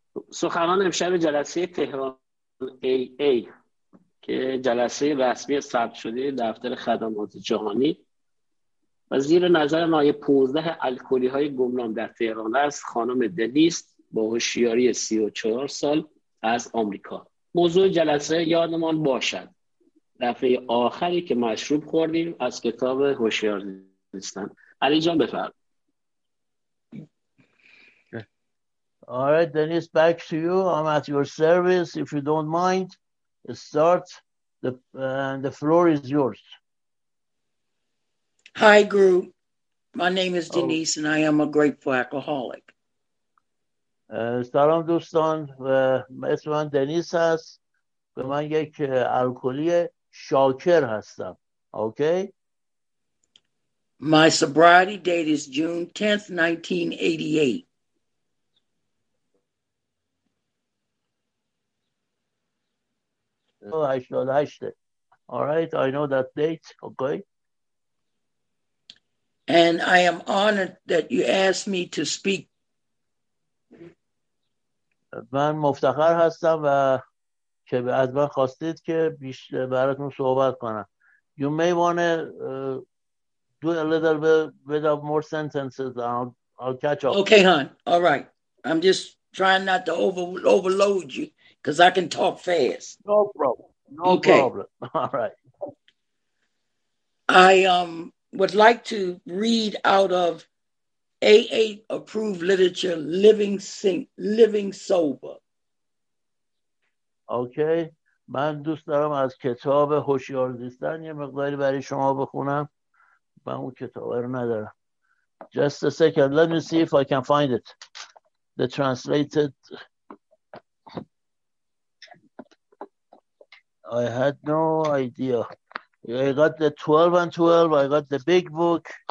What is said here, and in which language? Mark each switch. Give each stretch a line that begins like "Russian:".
Persian: سخنان امشب جلسه تهران ای که جلسه رسمی ثبت شده دفتر خدمات جهانی و زیر نظر مایه 15 الکلی های گمنام در تهران است، خانم دلیست با هوشیاری 34 سال از آمریکا. موضوع جلسه یادمان باشد دفعه آخری که مشروب خوردیم از کتاب هوشیار زیستن. علی جان بفرمایید.
English: All right, Dennis, back to you. I'm at your service. If you don't mind, start. The floor is yours. Hi, Guru. My name is Denise, and I am a grateful alcoholic.
Persian: سلام دوستان. اسم من دنیس هست. به من یک الکلی شاکر هستم.
English: Okay? My sobriety date is June 10th, 1988. Oh, I should ask it. All right, I know that date. Okay. And I am honored that you asked me to speak.
Persian: من مفتخر هستم و که از من خواستید که بیشتر براتون صحبت کنم.
English: You may want to do a little bit of more sentences. I'll catch up. Okay, hon. All right. I'm just trying not to overload you. Because I can talk fast. No problem. No okay. problem. All right. I would like to read out of AA approved literature, Living Sober. Okay.
Persian: من دوست دارم از کتاب هوشیار زیستن یه مقداری برای شما بخونم. من اون کتاب رو ندارم.
English: Just a second. Let me see if I can find it. The translated... I had no idea. I got the 12 and 12. I got the big book.